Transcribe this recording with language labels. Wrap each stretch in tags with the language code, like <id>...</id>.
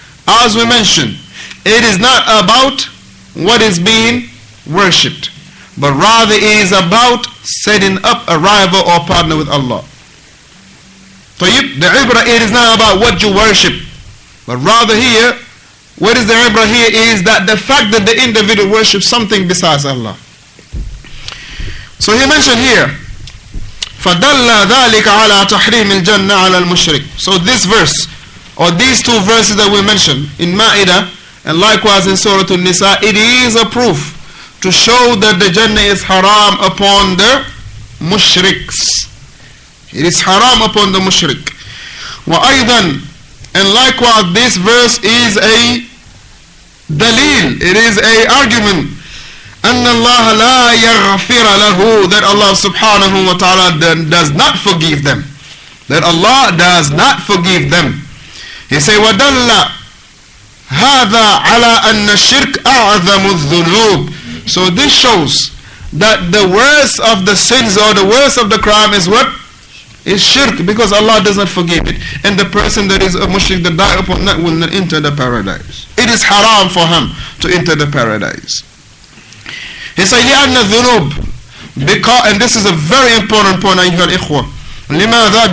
<en>As we mentioned, it is not about what is being worshipped, but rather it is about setting up a rival or partner with Allah. طيب, the ibrah, it is not about what you worship, but rather here, what is the ibrah here is that the fact that the individual worships something besides Allah. So he mentioned here,</en> <ar>فَدَلَّ ذَلِكَ عَلَىٰ تَحْرِيمِ الْجَنَّةِ عَلَىٰ الْمُشْرِكِ.</ar> <en>So this verse, or these two verses that we mentioned in Ma'idah, and likewise in Surah An-Nisa, it is a proof to show that the Jannah is haram upon the mushriks. It is haram upon the mushrik. وَأَيْضًا, and likewise, this verse is a dalil, it is a argument.</en> <ar>أَنَّ اللَّهَ لَا يَغْفِرَ لَهُ,</ar> <en>that Allah subhanahu wa ta'ala does not forgive them. That Allah does not forgive them. He say,</en> <ar>وَدَلَّ هَذَا عَلَىٰ أَنَّ الشِّرْكَ أَعْظَمُ الذُّنُوبِ.</ar> <en>So this shows that the worst of the sins or the worst of the crime is what? It's shirk, because Allah does not forgive it. And the person that is a mushrik that died upon that will not enter the paradise. It is haram for him to enter the paradise. He said, Ya anna dhunub, because, and this is a very important point, ayyuhal ikhwa. Limadha?</en>